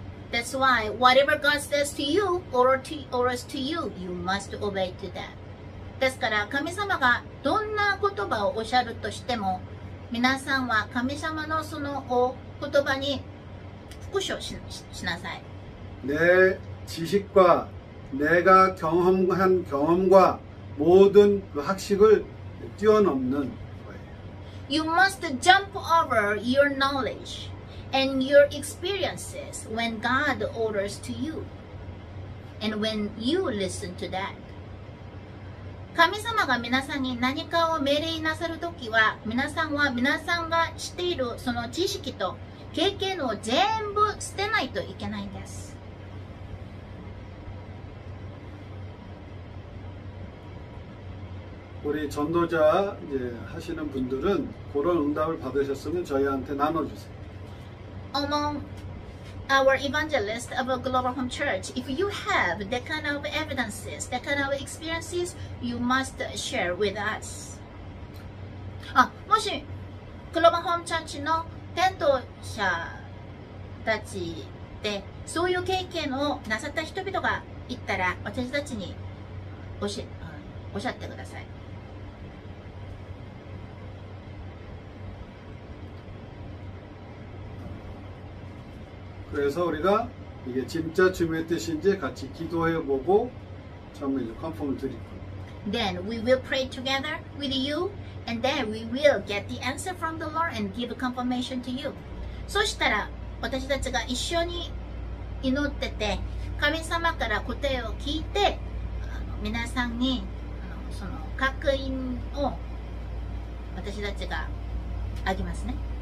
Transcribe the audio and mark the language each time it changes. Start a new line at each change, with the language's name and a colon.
English: That's why whatever God says to you or orders to you, you must obey to that.
Japanese: ですから神様がどんな言葉をおっしゃるとしても、皆さんは神様のその言葉に服従しなさい。
Korean: 내지식과내가경험한경험과모든그학식을뛰어넘는거예요。
English: You must jump over your knowledge and your experiences when God orders to you and when you listen to that.
Japanese: 神様が皆さんに何かを命令なさるときは、皆さんが知っているその知識と経験を全部捨てないといけないんです。
Korean: 우리전도자이제하시는분들은그런응답을받으셨으면저희한테나눠주세요。
English: Among our evangelists of a global home church, if you have that kind of evidences, that kind of experiences, you must share with us.
Japanese: 아もしグローバルホームチャーチの伝道者たちでそういう経験をなさった人々が行ったら私たちにおっしゃってください。
Korean: 그래서우리가이게진짜주님의뜻인지같이기도해보고참으로컨펌을드릴거예요
English: Then we will pray together with you and then we will get the answer from the Lord and give a confirmation to you.
Japanese: 소시타라私たちが一緒に祈ってて神様から答えを聞いて皆さんにその確認を私たちがあげますね